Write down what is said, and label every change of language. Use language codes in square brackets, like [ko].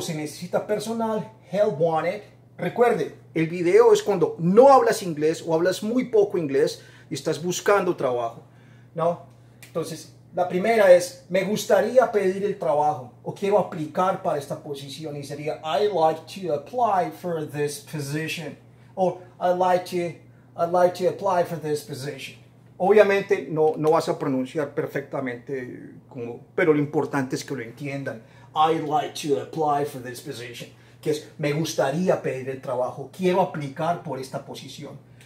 [es] Se necesita personal, [en] help wanted. [es] Recuerde, el video es cuando no hablas inglés o hablas muy poco inglés y estás buscando trabajo, ¿no? Entonces, la primera es, me gustaría pedir el trabajo o quiero aplicar para esta posición. Y sería, [en] I'd like to apply for this position. O, I'd like to apply for this position. [es] Obviamente, no vas a pronunciar perfectamente, pero lo importante es que lo entiendan. [en] I'd like to apply for this position. [es] Que es, me gustaría pedir el trabajo. Quiero aplicar por esta posición.